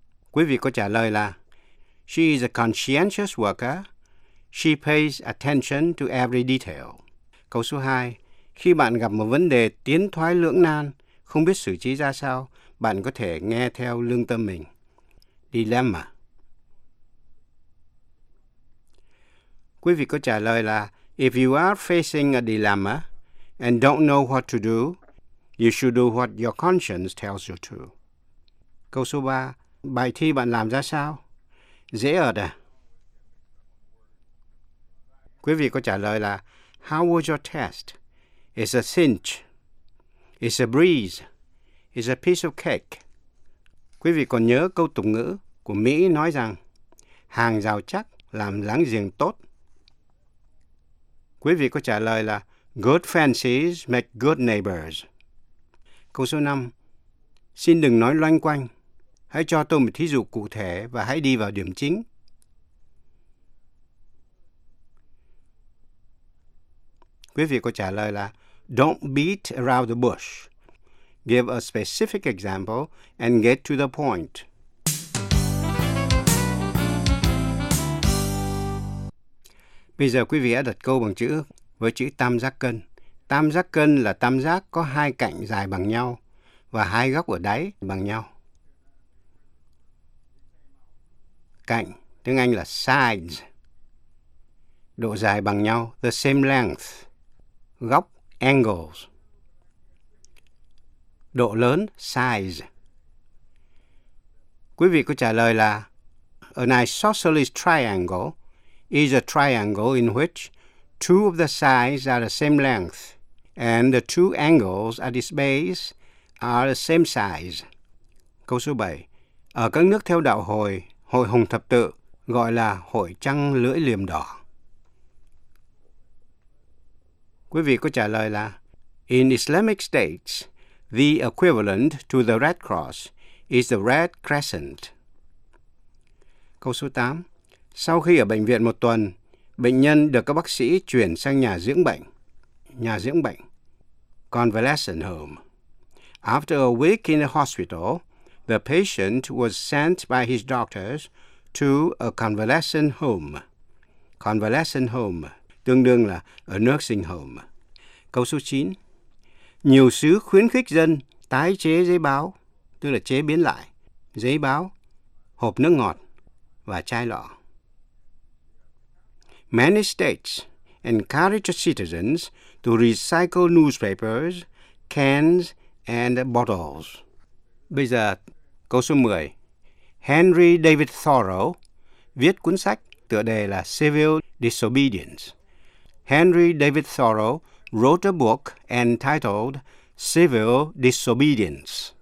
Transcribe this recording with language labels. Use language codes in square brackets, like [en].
[vi] Quý vị có trả lời là [en] She is a conscientious worker. She pays attention to every detail. [vi] Câu số 2. Khi bạn gặp một vấn đề tiến thoái lưỡng nan, không biết xử trí ra sao, bạn có thể nghe theo lương tâm mình. [en] Dilemma. [vi] Quý vị có trả lời là [en] If you are facing a dilemma and don't know what to do, you should do what your conscience tells you to. [vi] Câu số 3. Bài thi bạn làm ra sao? Dễ ợt à? Quý vị có trả lời là [en] How was your test? It's a cinch. It's a breeze. It's a piece of cake. [vi] Quý vị còn nhớ câu tục ngữ của Mỹ nói rằng hàng rào chắc làm láng giềng tốt. Quý vị có trả lời là [en] Good fences make good neighbors. [vi] Câu số 5. Xin đừng nói loanh quanh. Hãy cho tôi một thí dụ cụ thể và hãy đi vào điểm chính. Quý vị có trả lời là [en] Don't beat around the bush. Give a specific example and get to the point. [vi] Bây giờ quý vị hãy đặt câu bằng chữ với chữ tam giác cân. Tam giác cân là tam giác có hai cạnh dài bằng nhau và hai góc ở đáy bằng nhau. Cạnh, tiếng Anh là sides, độ dài bằng nhau, [en] the same length, [vi] góc, angles, độ lớn, size. Quý vị có trả lời là, [en] an isosceles triangle is a triangle in which two of the sides are the same length and the two angles at its base are the same size. [vi] Câu số 7. Ở các nước theo đạo Hồi, Hội Hồng Thập Tự gọi là Hội Trăng Lưỡi Liềm Đỏ. Quý vị có trả lời là [en] In Islamic states, the equivalent to the Red Cross is the Red Crescent. [vi] Câu số 8. Sau khi ở bệnh viện một tuần, bệnh nhân được các bác sĩ chuyển sang nhà dưỡng bệnh, convalescent home. [en] After a week in the hospital, the patient was sent by his doctors to a convalescent home. [vi] Convalescent home, tương đương là [en] a nursing home. [vi] Câu số 9. Nhiều sứ khuyến khích dân tái chế giấy báo, tức là chế biến lại, giấy báo, hộp nước ngọt và chai lọ. [en] Many states encourage citizens to recycle newspapers, cans and bottles. [vi] Bây giờ, câu số 10. Henry David Thoreau viết cuốn sách tựa đề là Civil Disobedience. [en] Henry David Thoreau wrote a book entitled Civil Disobedience.